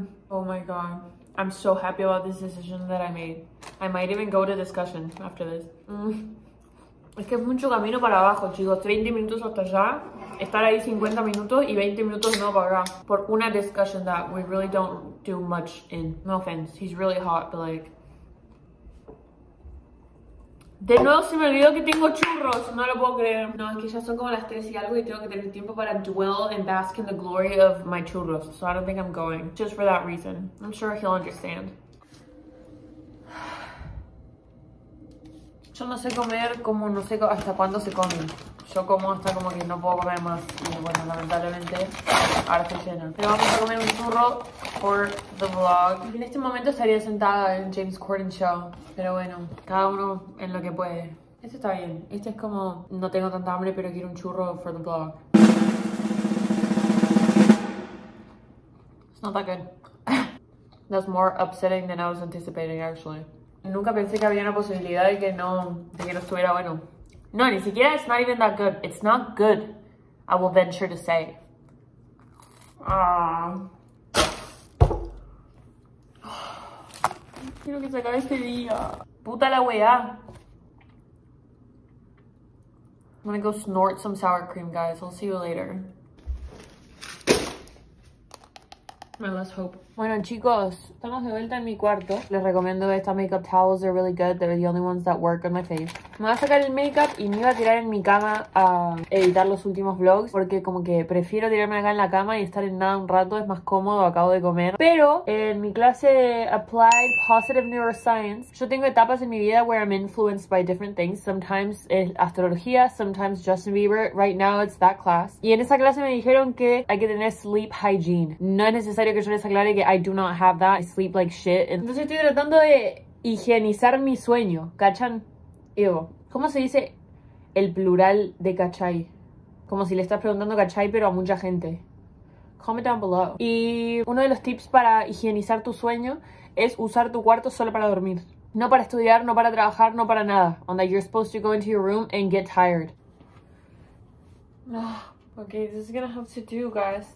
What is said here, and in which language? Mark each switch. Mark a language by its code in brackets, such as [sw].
[en] Oh my god, I'm so happy about this decision that I made. I might even go to discussion after this. [es] Es que es mucho camino para abajo, chicos. 20 minutos hasta allá, estar ahí 50 minutos y 20 minutos no para allá. Por una [en] discussion that we really don't do much in. No offense, he's really hot, but like... [es] De nuevo se me olvidó que tengo churros, no lo puedo creer. No, es que ya son como las 3 y algo y tengo que tener tiempo para [en] dwell and bask in the glory of my churros. So I don't think I'm going, just for that reason. I'm sure he'll understand. [es] Yo no sé comer como no sé hasta cuándo se come. Yo como hasta como que no puedo comer más. Y bueno, lamentablemente, ahora estoy llena. Pero vamos a comer un churro [en] for the vlog. [es] En este momento estaría sentada en James Corden Show. Pero bueno, cada uno en lo que puede. Este está bien. Este es como, no tengo tanta hambre, pero quiero un churro [en] for the vlog. It's not that good. That's more upsetting than I was anticipating, actually. [es] Nunca pensé que había una posibilidad de que no estuviera bueno. No, ni siquiera, [en] it's not even that good. It's not good, I will venture to say. [es] Quiero que se acabe este día. Puta la weá. [en] I'm gonna go snort some sour cream, guys. I'll see you later. My last hope. [es] Bueno, chicos, estamos de vuelta en mi cuarto. Les recomiendo esta [en] makeup towels. They're really good. They're the only ones that work on my face. [es] Me voy a sacar el makeup y me iba a tirar en mi cama a editar los últimos vlogs, porque como que prefiero tirarme acá en la cama y estar en nada un rato. Es más cómodo, acabo de comer. Pero en mi clase de Applied Positive Neuroscience, yo tengo etapas en mi vida [en] where I'm influenced by different things. Sometimes [es] es astrología, [en] sometimes Justin Bieber. Right now it's that class. [es] Y en esa clase me dijeron que hay que tener sleep hygiene. No es necesario que yo les aclare que [en] I do not have that. I sleep like shit. [es] Entonces estoy tratando de higienizar mi sueño. ¿Cachan? Evo, ¿cómo se dice el plural de cachai? Como si le estás preguntando cachai, pero a mucha gente. Comment down below. Y uno de los tips para higienizar tu sueño es usar tu cuarto solo para dormir. No para estudiar, no para trabajar, no para nada. [en] On that you're supposed to go into your room and get tired. Okay, this is gonna have to do, guys.